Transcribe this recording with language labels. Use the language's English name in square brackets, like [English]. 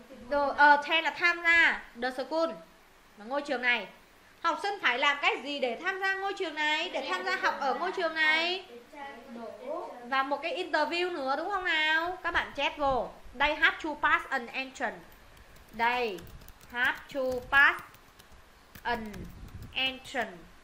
[Vietnamese] Rồi, attend là tham gia [English] the school. [Vietnamese] Mà ngôi trường này. Học sinh phải làm cái gì để tham gia ngôi trường này? Để tham gia học ở ngôi trường này? Và một cái interview nữa đúng không nào? Các bạn chép vô. [English] They have to pass an entrance. They have to pass an entrance.